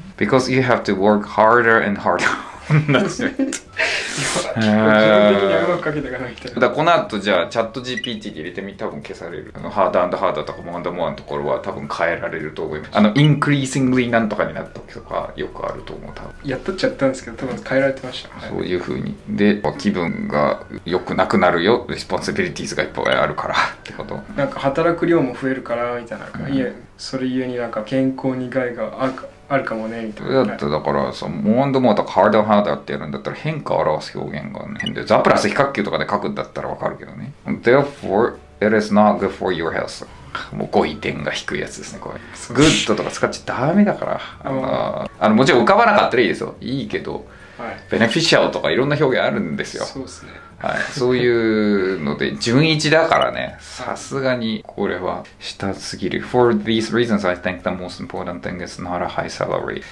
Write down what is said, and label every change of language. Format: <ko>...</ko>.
<en>Because you have to work harder and harder. That's it.</en> <ja>だこの後じゃあチャット GPT で入れてみ、多分消される。あのハードアンドハードとかモアンドモアのところは多分変えられると思います。あのインクリーシングリーなんとかになった時とかよくあると思う。多分やっとっちゃったんですけど多分変えられてました、はい、そういう風に。で気分が良くなくなるよ、レスポンシビリティーズがいっぱいあるからってこと。なんか働く量も増えるからみたいな、うん、いえそれゆえになんか健康に害があるかあるかもねみたいな。だってだからさ、モアンドモアとかハードハードってやるんだったら変化を表す表現が、ね、変で、ザプラス比較級とかで書くんだったらわかるけどね。</ja> <en>Therefore, it is not good for your health。</en> <ja>もう5点が低いやつですね、これ。Good とか使っちゃダメだから。あのもちろん浮かばなかったらいいですよ。いいけど、はい、 Beneficial とかいろんな表現あるんですよ。そうですね。はい、そういうので順一だからね、さすがにこれは下すぎる。</ja> <en>For these reasons, I think the most important thing is not a high salary.</en>